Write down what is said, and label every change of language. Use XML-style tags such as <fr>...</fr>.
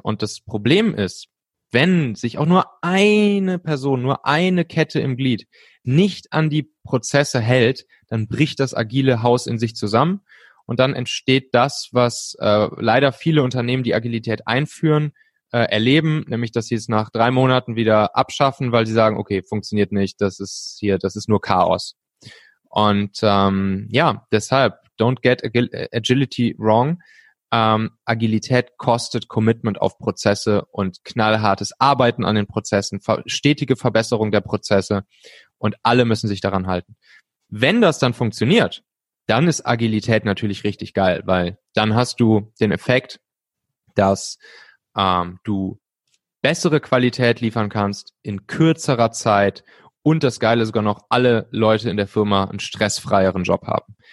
<de>Und das Problem ist, wenn sich auch nur eine Person, nur eine Kette im Glied nicht an die Prozesse hält, dann bricht das agile Haus in sich zusammen und dann entsteht das, was leider viele Unternehmen, die Agilität einführen, erleben, nämlich dass sie es nach 3 Monaten wieder abschaffen, weil sie sagen, okay, funktioniert nicht, das ist nur Chaos. Und ja, deshalb,</de> <en>don't get agility wrong.</en> <de>Agilität kostet Commitment auf Prozesse und knallhartes Arbeiten an den Prozessen, stetige Verbesserung der Prozesse und alle müssen sich daran halten. Wenn das dann funktioniert, dann ist Agilität natürlich richtig geil, weil dann hast du den Effekt, dass du bessere Qualität liefern kannst in kürzerer Zeit und das Geile sogar noch, alle Leute in der Firma einen stressfreieren Job haben.</de>